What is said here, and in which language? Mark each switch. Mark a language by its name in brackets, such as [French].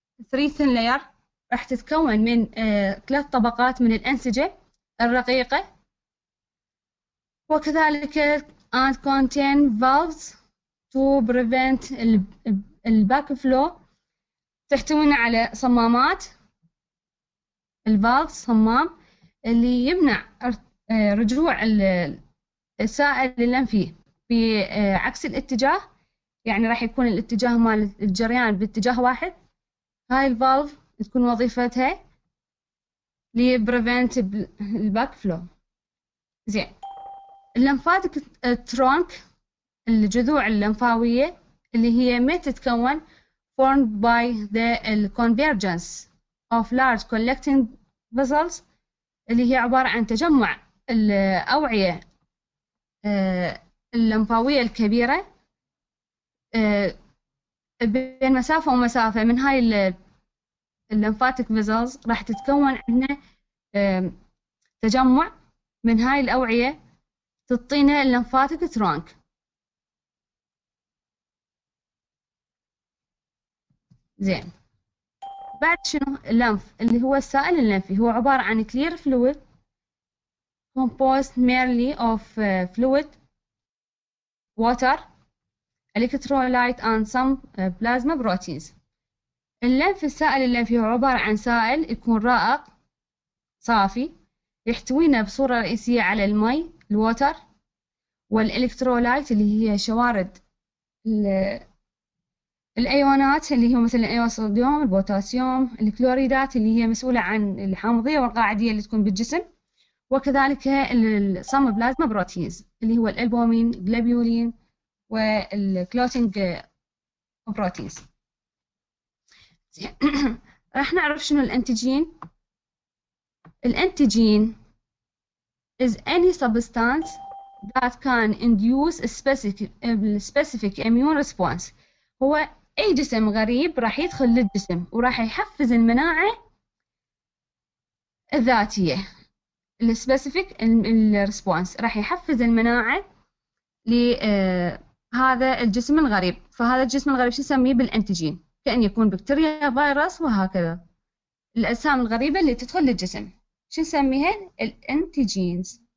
[English] three thin layer [Arabic] راح تتكون من ثلاث طبقات من الأنسجة الرقيقة وكذلك [English] and contain valves to prevent ال back flow. [Arabic] تحتوينا على صمامات الفالف، صمام اللي يمنع رجوع السائل الأنفي بعكس الاتجاه، يعني راح يكون الاتجاه مال الجريان باتجاه واحد. هاي الفالف تكون وظيفتها لبريفنت الباك فلو. زين، اللمفاتك ترونك، الجذوع اللمفاوية اللي هي ما تتكون [English] formed by the convergence of large collecting vessels، [Arabic] اللي هي عبارة عن تجمع الأوعية اللمفاوية الكبيرة بين مسافة ومسافة من هاي اللمفاتيك vessels. راح تتكون عندنا تجمع من هاي الأوعية تعطينا اللمفاتيك ترانك. زين، بعد شنو اللمف اللي هو السائل اللمفي؟ هو عبارة عن [English] clear fluid composed merely of fluid, water, electrolyte and some plasma proteins. [Arabic] اللمف السائل اللمفي هو عبارة عن سائل يكون رائق صافي، يحتوينا بصورة رئيسية على الماء الووتر والإلكترولايت اللي هي شوارد الأيونات اللي هي مثلا أيون صوديوم البوتاسيوم، الكلوريدات اللي هي مسؤولة عن الحامضية والقاعدية اللي تكون بالجسم، وكذلك الصم بلازما بروتينز اللي هو الألبومين جلوبولين والكلوتينج بروتينز. راح نعرف شنو الأنتيجين. [English] الأنتيجين is any substance that can induce a specific immune response. [Arabic] هو أي جسم غريب راح يدخل للجسم وراح يحفز المناعة الذاتية. ال [English] specific response [Arabic] راح يحفز المناعة لهذا الجسم الغريب. فهذا الجسم الغريب شو نسميه؟ بالأنتيجين، كأن يكون بكتيريا فيروس وهكذا الأجسام الغريبة اللي تدخل للجسم شو نسميها؟ الأنتيجينز.